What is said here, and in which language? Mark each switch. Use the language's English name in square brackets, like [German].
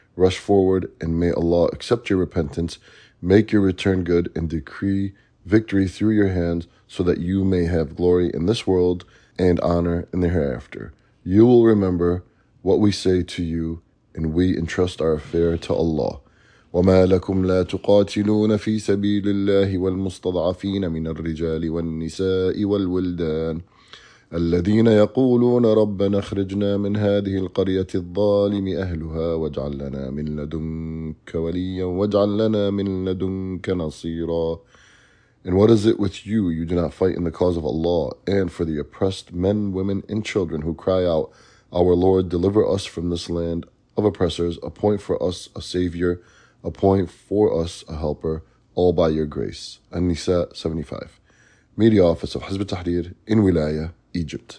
[English] Rush forward, and may Allah accept your repentance, make your return good, and decree victory through your hands, so that you may have glory in this world and honor in the hereafter. You will remember what we say to you, and we entrust our affair to Allah. [Arabic] وَمَا لَكُمْ لَا تُقَاتِلُونَ فِي سَبِيلِ اللَّهِ وَالْمُسْتَضْعَفِينَ مِنَ الرِّجَالِ وَالنِّسَاءِ وَالْوِلْدَانِ الذين يقولون ربنا اخرجنا من هذه القرية الظالم أهلها واجعل لنا من لدنك وليا واجعل لنا من لدنك نصيرا. [English] And what is it with you? You do not fight in the cause of Allah and for the oppressed men, women, and children who cry out, Our Lord, deliver us from this land of oppressors. Appoint for us a savior. Appoint for us a helper, all by your grace. An-Nisa 75. Media Office of Hizb ut-Tahrir in Wilaya, Egypt.